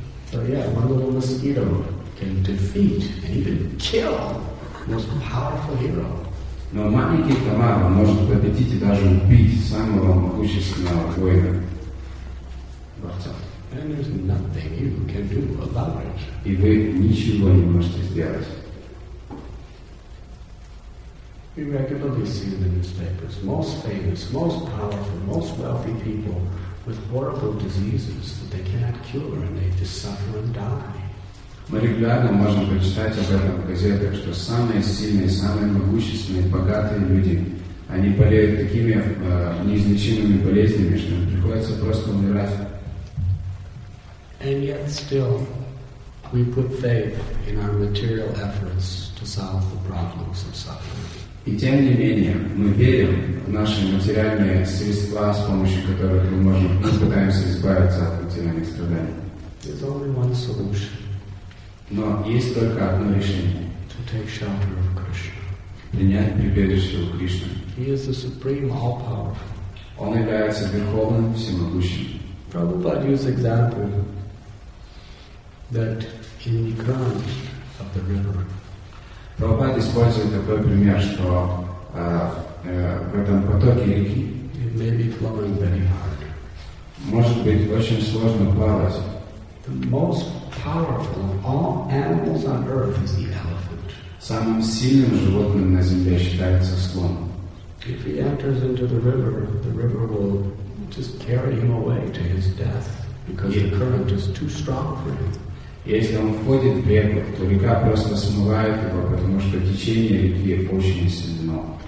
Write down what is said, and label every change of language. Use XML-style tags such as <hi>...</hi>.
<en>So yeah, one little mosquito can defeat and even kill the most powerful hero.</en> <ru>Но маленький комар может победить и даже убить самого могущественного воина.</ru> <en>And there's nothing you can do about it.</en> <ru>И вы ничего не можете сделать.</ru> <en>We regularly see in the newspapers most famous, most powerful, most wealthy people with horrible diseases that they cannot cure, and they just suffer and die.</en> <ru>Мы регулярно можем прочитать об этом в газетах, что самые сильные, самые могущественные, богатые люди, они болеют такими неизлечимыми болезнями, что им приходится просто умирать.</ru> <en>And yet still, we put faith in our material efforts to solve the problems of suffering.</en> <ru>И тем не менее, мы верим в наши материальные средства, с помощью которых мы можем, мы пытаемся избавиться от материальных страданий.</ru> <en>There's only one solution.</en> <ru>Но есть только одно решение.</ru> <en>To take shelter of Krishna.</en> <ru>Принять прибежище у Кришны.</ru> <en>He is the supreme all-powerful.</en> <ru>Он является верховным всемогущим.</ru> <en>Prabhupada used example that in the current of the river.</en> <ru>Прабхупада использует такой пример, что в этом потоке реки</ru> <en>it may be flowing very hard.</en> <ru>Может быть очень сложно плавать.</ru> <en>The most powerful of all animals on earth is the elephant.</en> <ru>Самым сильным животным на земле считается слон.</ru> <en>If he enters into the river will just carry him away to his death because the current is too strong for him.</en> <ru>Если он входит в реку, то река просто смывает его, потому что течение реки очень сильно.</ru>